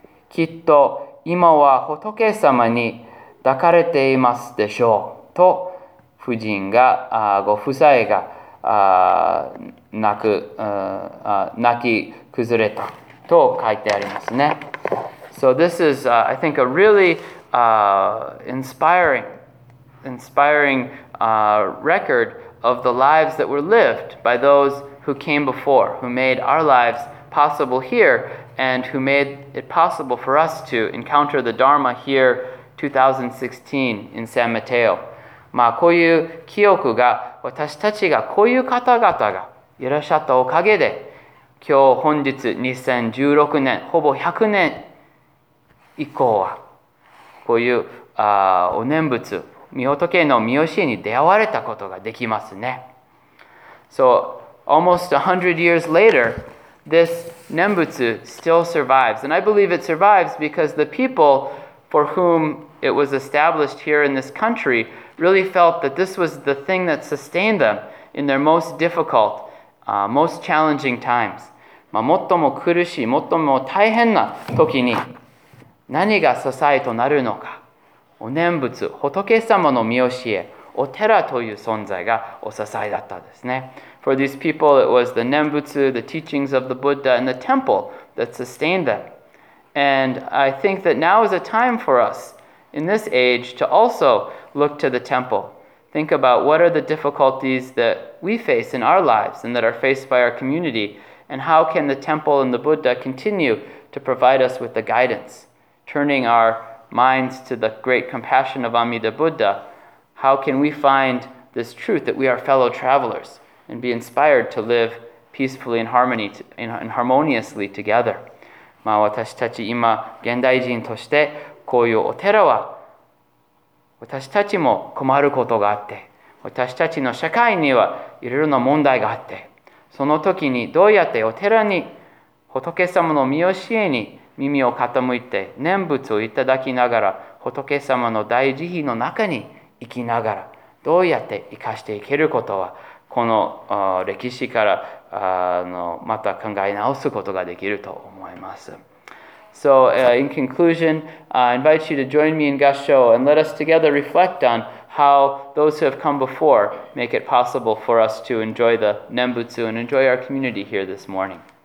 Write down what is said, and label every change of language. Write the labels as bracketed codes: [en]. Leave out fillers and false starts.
[ja] きっと今は仏様に抱かれていますでしょうと夫人がご夫妻が泣き崩れたと書いてありますね。 [en] So this is, I think, a really inspiring record of the lives that were lived by those who came before, who made our lives possible here, and who made it possible for us to encounter the Dharma here. 2016 in San Mateo. [ja] まあこういう記憶が私たちがこういう方々がいらっしゃったおかげで今日本日2016年ほぼ100年以降はこういうお念仏御仏の御教えに出会われたことができますね。 [en] So almost 100 years later this 念仏 still survives and I believe it survives because the peopleFor whom it was established here in this country, really felt that this was the thing that sustained them in their most difficult, most challenging times. [ja] まあ、最も苦しい、最も大変な時に、何が支えとなるのか。お念仏、仏様の御教え、お寺という存在がお支えだったですね。 [en] For these people, it was the 念仏, the teachings of the Buddha, and the temple that sustained them. And I think that now is a time for us in this age to also look to the temple. Think about what are the difficulties that we face in our lives and that are faced by our community, and how can the temple and the Buddha continue to provide us with the guidance, turning our minds to the great compassion of Amida Buddha. How can we find this truth that we are fellow travelers and be inspired to live peacefully and harmony and harmoniously together? [ja] まあ、私たち今現代人としてこういうお寺は私たちも困ることがあって私たちの社会にはいろいろな問題があってその時にどうやってお寺に仏様の御教えに耳を傾いて念仏をいただきながら仏様の大慈悲の中に生きながらどうやって生かしていけることはこの歴史からまた考え直すことができると思います。 [en] So, in conclusion, I invite you to join me in Gassho and let us together reflect on how those who have come before make it possible for us to enjoy the Nembutsu and enjoy our community here this morning.